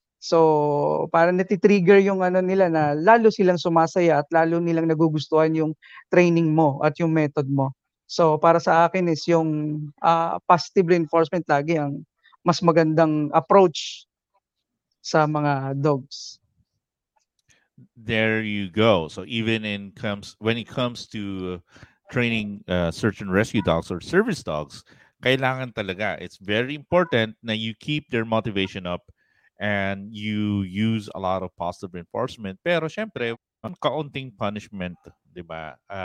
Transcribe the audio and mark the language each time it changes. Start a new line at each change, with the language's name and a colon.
Filipino: So parang natitrigger yung ano nila na lalo silang sumasaya at lalo nilang nagugustuhan yung training mo at yung method mo. So para sa akin is yung positive reinforcement lagi ang mas magandang approach sa mga dogs.
English: There you go. So even in comes when it comes to training search and rescue dogs or service dogs,
Filipino: kailangan talaga,
English: it's very important na you keep their motivation up and you use a lot of positive reinforcement.
Filipino: Pero syempre, ang kaunting punishment, di ba?